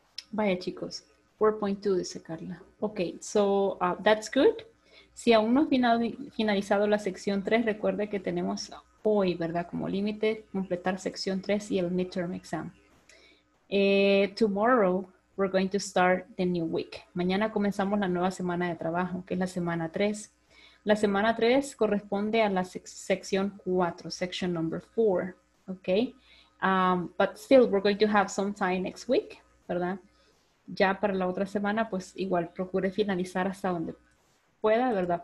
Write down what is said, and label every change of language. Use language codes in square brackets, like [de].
[es] Vaya, chicos. [en] 4.2, dice Carla. Ok, so that's good. [es] Si aún no ha finalizado la sección 3, recuerde que tenemos hoy, ¿verdad? Como límite, completar sección 3 y el midterm exam. [en] Tomorrow, we're going to start the new week. [es] Mañana comenzamos la nueva semana de trabajo, que es la semana 3. La semana 3 corresponde a la sección 4, [en] section number 4, [es] ok? [en] But still, we're going to have some time next week, [es] ¿verdad? Ya para la otra semana, pues igual procure finalizar hasta donde pueda, ¿verdad?